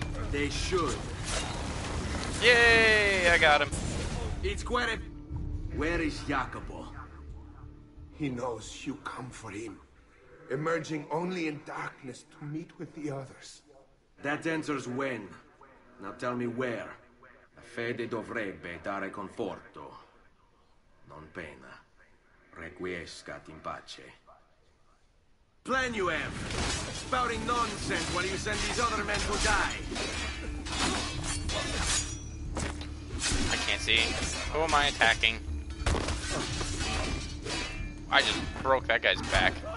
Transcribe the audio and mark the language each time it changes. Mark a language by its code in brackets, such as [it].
[en] They should. Yay, I got him. It's quite a... Where is Jacobo? He knows you come for him, emerging only in darkness to meet with the others. That answers when. Now tell me where. [it] La fede dovrebbe dare conforto, non pena, [la] requiescat in pace. [en] Plan you have, spouting nonsense while you send these other men to die. I can't see. Who am I attacking? I just broke that guy's back.